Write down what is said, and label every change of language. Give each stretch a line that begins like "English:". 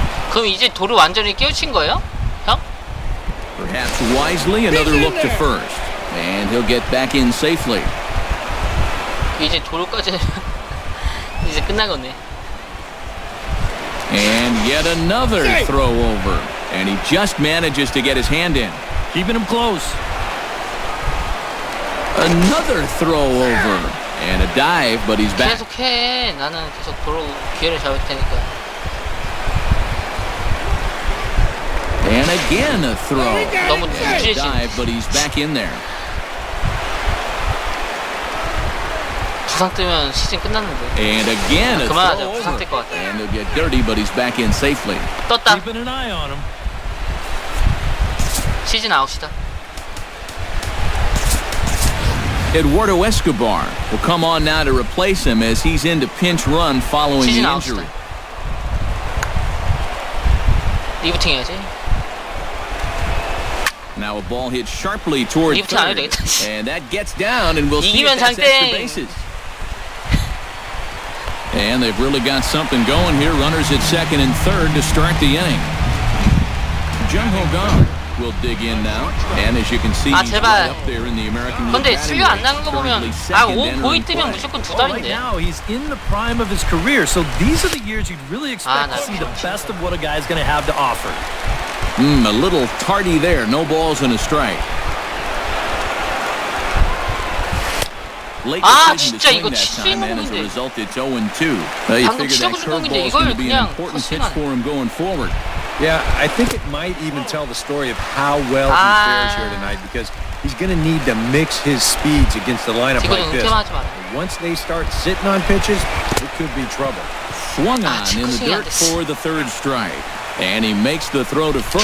Korean: 그럼 이제 도루 완전히 깨우친 거예요? 형?
English: Perhaps wisely another look to first. And he'll get back in safely.
Korean: 이제 도루까지 이제 끝난 거네.
English: And yet another throw over. And he just manages to get his hand in. Keeping him close. Another throw over. And a dive, but he's back.
Korean: 계속해. 나는 계속 도로 기회를 잡을 테니까.
English: And again a throw.
Korean: 너무 늦으신.
English: Dive, but he's back in there.
Korean: 부상 뜨면 시즌 끝났는데.
English: And again a throw.
Korean: 그만하자. 부상 뜰 것 같아.
English: And he'll get dirty, but he's back in safely.
Korean: 떴다.
English: Keeping an eye on him.
Korean: 시즌 아웃이다.
English: Eduardo Escobar will come on now to replace him as he's into pinch run following the injury.
Korean: 리프팅 해야지.
English: Now a ball hit sharply towards third.
Korean: 리프팅 안 해도 되겠다.
English: And that gets down and we'll see if that's extra bases. And they've really got something going here. Runners at second and third to start the inning. Jung Ho Kang will dig in now. And as you can see, he's right up there in the American League.
Korean: 근데 수비 안 나는 거 보면 5포인트면 무조건 두 달인데.
English: Now he's in the prime of his career. So these are the years you'd really expect to see the best of what a guy's going to have to offer. A little tardy there. No balls and a strike.
Korean: 아 진짜 이거 치는 건데. 방금 치는 건데 이걸 그냥 터싱하네.
English: Yeah, I think it might even tell the story of how well he fares here tonight because he's going to need to mix his speeds against the lineup like this. Once they start sitting on pitches, it could be trouble. Swung on in the dirt for the third strike. And he makes the throw to first.